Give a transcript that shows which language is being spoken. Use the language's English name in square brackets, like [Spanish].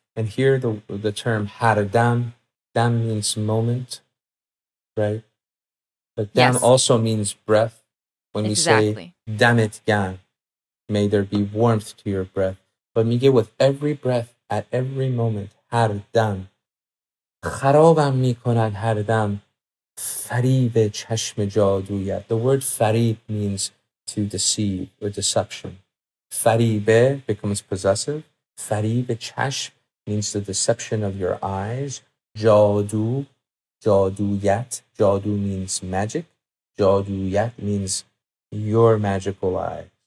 [English] And here the term haradam, dam means moment, right? But dam yes. also means breath. When exactly. we say damit gan, may there be warmth to your breath. But Miguel, with every breath, at every moment, haradam. [Persian] خرابم می کند هر دم فریب چشم جادویت. [English] The word فریب means to deceive or deception. فریبه becomes possessive. [Persian] فریب چشم [English] means the deception of your eyes. جادو, جادویت. جادو means magic. جادویت means your magical eye.